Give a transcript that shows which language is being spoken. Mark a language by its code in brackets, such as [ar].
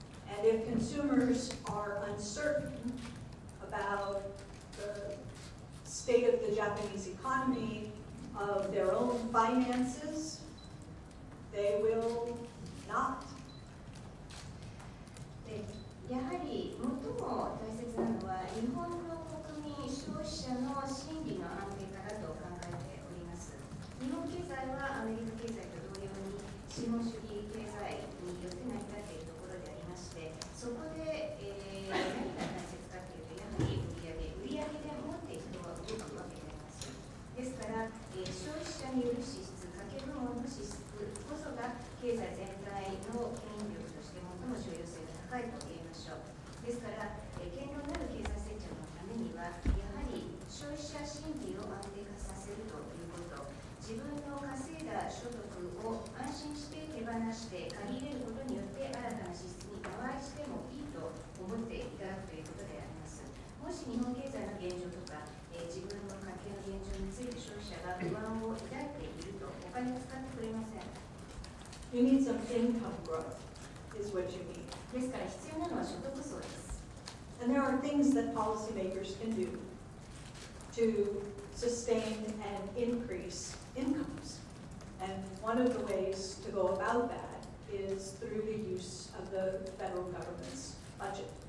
[en] And if consumers are uncertain about the state of the Japanese economy, of their own finances, they will not. [ja] やはり最も大切なのは日本の国民消費者の心理の安定化だと考えております。日本経済はアメリカ経済と同様に資本主義経済によって成り立っている。そこで、何が大切かというと、やはり売り上げ、売り上げでもって人は動くわけであります。ですから、消費者による支出、家計部門の支出こそが経済全体の牽引力として最も重要性が高いと言えましょう。ですから、堅牢なる経済成長のためには、やはり消費者心理を安定化させるということ、自分の稼いだ所得を安心して手放して借り入れることによって新たな支出に加えしてもいいと思っていただくということであります。もし日本経済の現状とか、自分の家計の現状について消費者が不安を抱いているとお金を使ってくれません。 [en] You need some income growth is what you need. [ja] ですから必要なのは所得層です。 [en] And there are things that policymakers can do toSustain and increase incomes. And one of the ways to go about that is through the use of the federal government's budget.